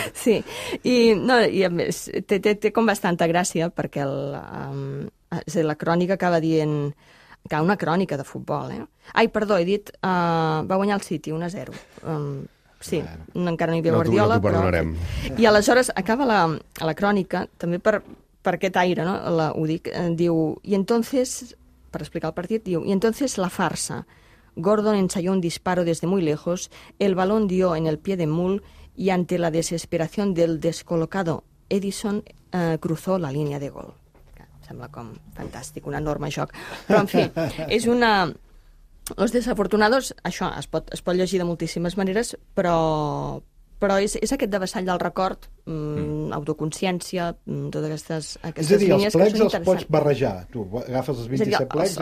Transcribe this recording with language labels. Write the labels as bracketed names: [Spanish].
[Catalan] Sí, i a més té com bastanta gràcia, perquè és a dir, la crònica acaba dient que una crònica de futbol, eh? Ai, perdó, he dit va guanyar el City 1-0. Sí, bueno, encara no hi havia Guardiola, no t'ho perdonarem. I aleshores acaba la crònica, també per aquest aire, no? Ho dic, diu, i entonces, per explicar el partit, diu, i entonces la farsa. [Spanish] Gordon ensayó un disparo desde muy lejos, el balón dio en el pie de Mull y ante la desesperación del descolocado Edison cruzó la línea de gol. [Catalan] Sembla com fantàstic, un enorme joc. Però, en fi, és una... Los Desafortunados, això, es pot llegir de moltíssimes maneres, però és aquest devessall del record, autoconsciència, totes aquestes línies que són interessants. És a dir, els plecs els pots barrejar, tu agafes els 27 plecs...